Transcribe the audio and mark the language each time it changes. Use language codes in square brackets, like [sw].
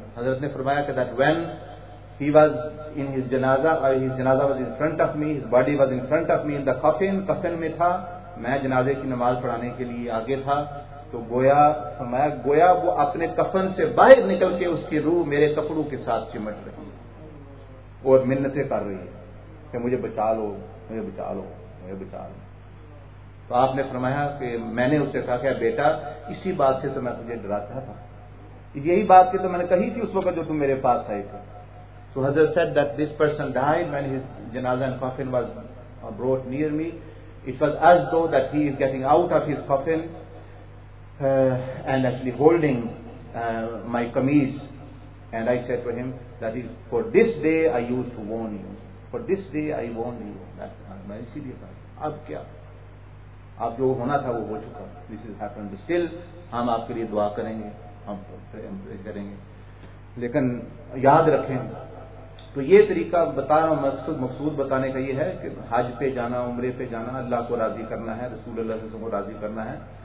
[ur] حضرت نے فرمایا کہ [en] that when he was in his janaza, his janaza was in front of me, his body was in front of me in the kafan, [ur] کفن میں تھا, میں جنازے کی نماز پڑھانے کے لیے آگے تھا, تو گویا فرمایا گویا وہ اپنے کفن سے باہر نکل کے اس کی روح میرے کپڑوں کے ساتھ چمٹ رہی ہے اور منتیں کر رہی ہے کہ مجھے بچا لو, مجھے بچا لو, مجھے بچا لو. تو آپ نے فرمایا کہ میں نے اسے کہا کہ بیٹا اسی بات سے تو میں تجھے ڈراتا تھا, یہی بات کہ تو میں نے کہی تھی اس وقت جو تم میرے پاس آئے تھے. [en] تو Hazrat said that this person died when his janaza and coffin was brought near me. It was as though that he is getting out of his coffin and actually holding my kameez. And I said to him that is for this day I used to warn you. For this day I warned you. [ur] That میں اسی لیے کہا اب کیا اب جو ہونا تھا وہ ہو چکا. [en] This has happened. [ur] Still ہم آپ کے لیے دعا کریں گے, ہم کریں گے, لیکن یاد رکھیں. تو یہ طریقہ بتا رہا ہوں, مقصود بتانے کا یہ ہے کہ حج پہ جانا, عمرے پہ جانا, اللہ کو راضی کرنا ہے, رسول اللہ صلی اللہ علیہ وسلم کو راضی کرنا ہے.